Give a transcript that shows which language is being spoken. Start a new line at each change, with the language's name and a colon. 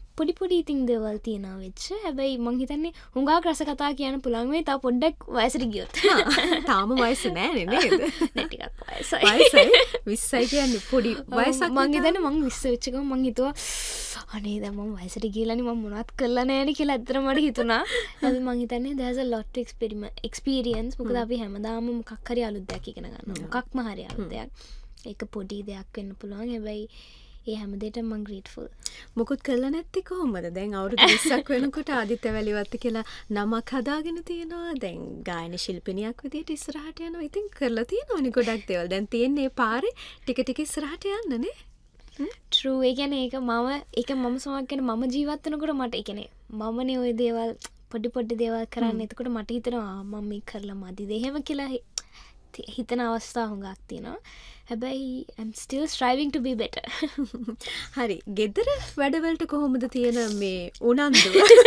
Sinhala: පොඩි පොඩි ඉතින් දේවල් තියනවා වෙච්ච. හැබැයි මං හිතන්නේ හුඟක් රස කතා කියන්න පුළුවන් වෙයි තා පොඩ්ඩක් වයසට ගියොත්. තාම වයස නෑ නේද? නෑ ටිකක් වයසයි. වයසයි 20යි කියන්නේ පොඩි වයසක්. මං හිතන්නේ මං 20 වෙච්ච ගමන් මං හිතුවා අනේ දැන් මං වයසට ගියලා නේ මං මොනවත් කරලා නෑනේ කියලා ඇත්තටම මට හිතුණා. හැබැයි මං හිතන්නේ
English: there's a lot to experience.
Sinhala: මොකද අපි හැමදාම මොකක් හරි අලුත් දෙයක් ඉගෙන ගන්නවා. මොකක්ම හරි අලුත් දෙයක්. ඒක පොඩි දෙයක් වෙන්න පුළුවන්. හැබැයි ඒ හැම දෙයකටම මම grateful. මොකුත් කළා නැත්තේ කොහොමද? දැන් අවුරුදු 20ක් වෙනකොට ආදිත්‍ය වැලිවත්ත කියලා නමක් හදාගෙන තියෙනවා. දැන් ගායන ශිල්පිනියක් විදිහට ඉස්සරහට යනවා. ඉතින් කරලා තියෙනවනේ ගොඩක් දේවල්. දැන් තියෙන්නේ පාරේ ටික ටික ඉස්සරහට යන්නනේ.
English: True.
Sinhala: ඒ කියන්නේ ඒක මම සමග කියන මම ජීවත් වෙනකොට මට ඒ කියන්නේ මමනේ ওই දේවල් පොඩි පොඩි දේවල් කරන්නේ. එතකොට මට හිතෙනවා මම මේ කරලා මදිද එහෙම කියලා හිතන අවස්ථා හුඟක් තියෙනවා. හැබැයි
English: I'm still striving to be better.
Sinhala: හරි. ගෙදර වැඩවලට කොහොමද තියෙන මේ උනන්දු?